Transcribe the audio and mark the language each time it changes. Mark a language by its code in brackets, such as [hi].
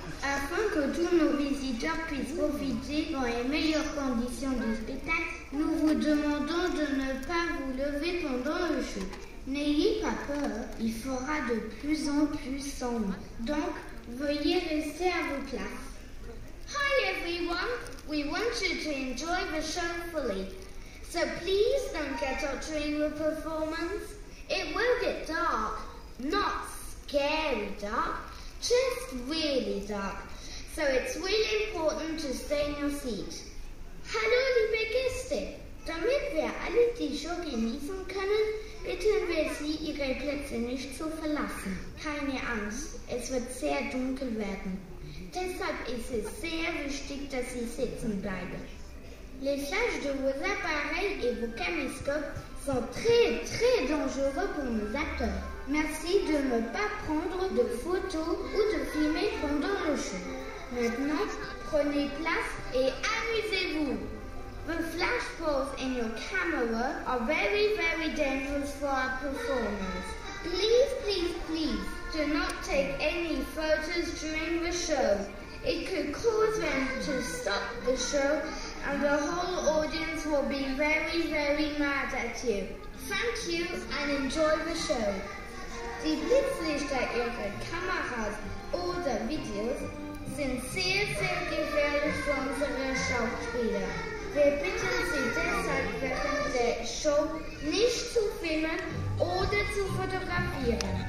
[fr] Afin que tous nos visiteurs puissent profiter dans les meilleures conditions du spectacle, nous vous demandons de ne pas vous lever pendant le show. N'ayez pas peur, il fera de plus en plus sombre. Donc, veuillez rester à vos places. [en] Hi everyone, we want you to enjoy the show fully. So please don't get out during the performance. It will get dark, not scary dark, just really dark. So it's really important to stay in your seat. [de] Hallo liebe Gäste, damit wir alle die Show genießen können, bitten wir Sie, Ihre Plätze nicht zu verlassen. Keine Angst, es wird sehr dunkel werden. Deshalb ist es sehr wichtig, dass Sie sitzen bleiben. [fr] Les flashs de vos appareils et vos caméscopes sont très, très dangereux pour nos acteurs. Merci de ne pas prendre de photos ou de filmer pendant le show. Maintenant, prenez place et amusez-vous. [en] The flash balls in your camera are very, very dangerous for our performers. Please, please, please do not take any photos during the show. It could cause them to stop the show and the whole audience will be very, very mad at you. Thank you and enjoy the show. [de] Die Blitzlichter ihrer Kameras oder Videos sind sehr, sehr gefährlich für unsere Schauspieler. Wir bitten Sie deshalb, während der Show nicht zu filmen oder zu fotografieren.